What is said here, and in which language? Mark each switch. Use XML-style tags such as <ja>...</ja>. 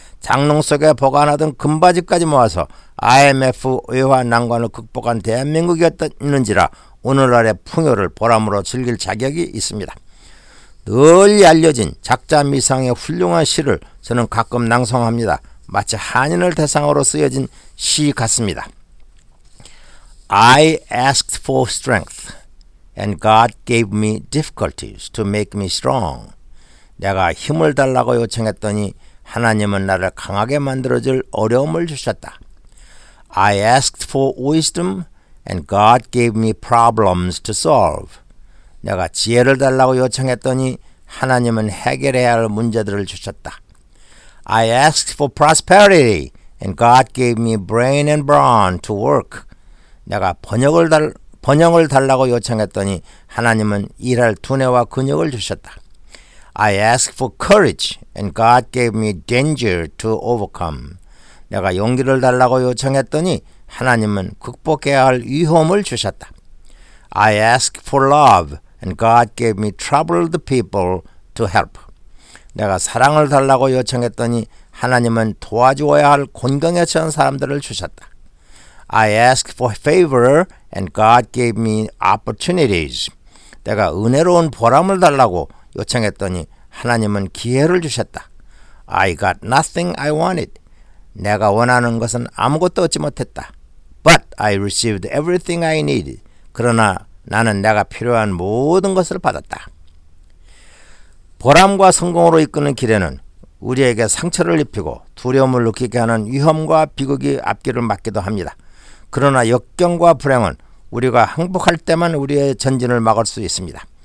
<ko>장롱 속에 보관하던 금바지까지 모아서 IMF 외화 난관을 극복한 대한민국이었는지라 오늘날의 풍요를 보람으로 즐길 자격이 있습니다. 널리 알려진 작자 미상의 훌륭한 시를 저는 가끔 낭송합니다. 마치 한인을 대상으로 쓰여진 시 같습니다.</ko> <en>I asked for strength, and God gave me difficulties to make me strong.</en> <ko>내가 힘을 달라고 요청했더니 하나님은 나를 강하게 만들어줄 어려움을 주셨다.</ko> <en>I asked for wisdom, and God gave me problems to solve.</en> <ko>내가 지혜를 달라고 요청했더니 하나님은 해결해야 할 문제들을 주셨다.</ko> <en>I asked for prosperity, and God gave me brain and brawn to work.</en> <ko>내가 번영을 달라고 요청했더니 하나님은 일할 두뇌와 근육을 주셨다.</ko> <en>I asked for courage, and God gave me danger to overcome.</en> <ko>내가 용기를 달라고 요청했더니 하나님은 극복해야 할 위험을 주셨다.</ko> <en>I asked for love, and God gave me troubled people to help.</en> <ko>내가 사랑을 달라고 요청했더니 하나님은 도와주어야 할 곤경에 처한 사람들을 주셨다.</ko> <en>I asked for favor, and God gave me opportunities.</en> <ko>내가 은혜로운 보람을 달라고 요청했더니 하나님은 기회를 주셨다.</ko> <en>I got nothing I wanted.</en> <ko>내가 원하는 것은 아무것도 얻지 못했다.</ko> <en>But I received everything I needed.</en> <ko>그러나 나는 내가 필요한 모든 것을 받았다. 보람과 성공으로 이끄는 길에는 우리에게 상처를 입히고 두려움을 느끼게 하는 위험과 비극이 앞길을 막기도 합니다. 그러나 역경과 불행은 우리가 행복할 때만 우리의 전진을 막을 수 있습니다.</ko>